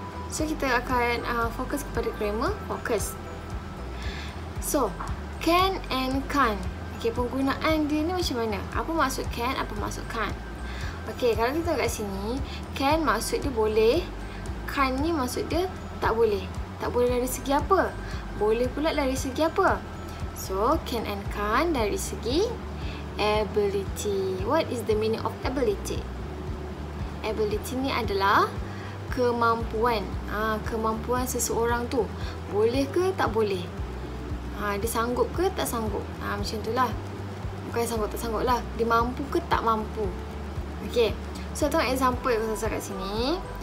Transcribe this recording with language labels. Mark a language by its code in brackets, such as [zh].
[ms] So kita akan fokus kepada grammar. Fokus. So, can and can't. Okay, penggunaan dia ni macam mana? Apa maksud can? Apa maksud can't? Okay, kalau kita kat sini, can maksud dia boleh, can ni maksud dia tak boleh. Tak boleh dari segi apa? Boleh pula dari segi apa? So, can and can't dari segi ability. [en] What is the meaning of ability? [ms] Ability ni adalah kemampuan. Kemampuan seseorang tu. Boleh ke tak boleh? Dia sanggup ke tak sanggup? Macam tu lah. Bukan sanggup tak sanggup lah. Dia mampu ke tak mampu? Okay. So, tengok example yang saya kat sini.